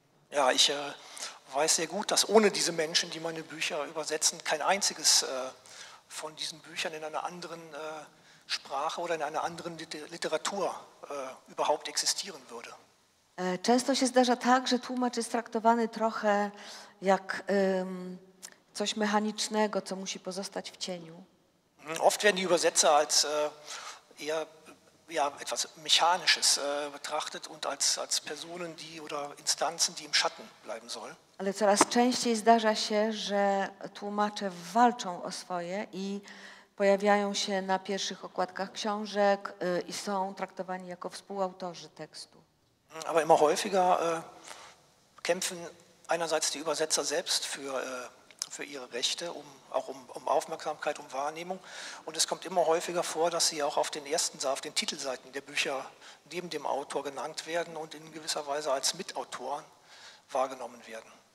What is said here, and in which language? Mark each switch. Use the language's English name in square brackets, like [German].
[German] Ja, ich weiß sehr gut, dass ohne diese Menschen, die meine Bücher übersetzen, kein einziges von diesen Büchern in einer anderen Sprache oder in einer anderen Literatur überhaupt existieren würde. [Polish] Często się zdarza tak, że tłumacz jest traktowany trochę jak coś mechanicznego, co musi pozostać w cieniu. [German] Oft werden die Übersetzer als eher ja, etwas Mechanisches betrachtet und als Personen, die oder Instanzen, die im Schatten bleiben sollen. [Polish] Ale coraz częściej zdarza się, że tłumacze walczą o swoje i pojawiają się na pierwszych okładkach książek i są traktowani jako współautorzy tekstu. [German] Aber immer häufiger kämpfen einerseits die Übersetzer selbst für ihre Rechte, um Aufmerksamkeit, um Wahrnehmung. Und es kommt immer häufiger vor, dass sie auch auf den Titelseiten der Bücher neben dem Autor genannt werden und in gewisser Weise als Mitautoren wahrgenommen werden.